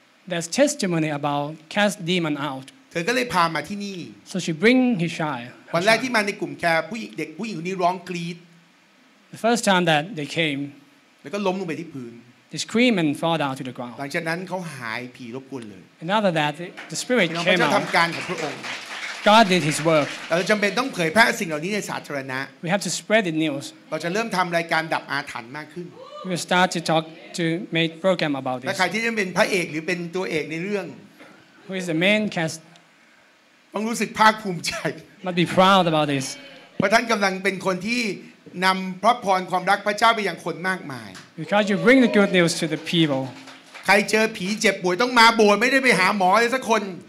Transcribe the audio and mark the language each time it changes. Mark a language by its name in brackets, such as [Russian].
[English] there's testimony about cast demon out [Thai] เธอก็เลยพามาที่นี่ [English] so she bring his child [Thai] วันแรกที่มาในกลุ่มแคร์ผู้หญิงเด็กผู้หญิงคนนี้ร้องกรี๊ด [English] The first time that they came, [Thai] แล้วก็ล้มลงไปที่พื้น [English] They screamed and fall down to the ground. [Thai] หลังจากนั้นเขาหายผีรบกวนเลย [English] And after that, the spirit came out. [Thai] พระเจ้าทำการของพระองค์ [English] God did His work. [Thai] เราจำเป็นต้องเผยแพร่สิ่งเหล่านี้ในสาธารณะ [English] We have to spread the news. [Thai] เราจะเริ่มทำรายการดับอาถรรพ์มากขึ้น [English] We will start to talk to make program about this. [Thai] และใครที่จะเป็นพระเอกหรือเป็นตัวเอกในเรื่อง [English] Who is the main cast? [Thai] ต้องรู้สึกภาคภูมิใจ [English] Must be proud about this. [Thai] เพราะท่านกำลังเป็นคนที่นำพระพรความรักพระเจ้าไปยังคนมากมาย [English] Because you bring the good news to the people [Thai] ใครเจอผีเจ็บป่วยต้องมาโบสถ์ไม่ได้ไปหาหมอเลยสักคน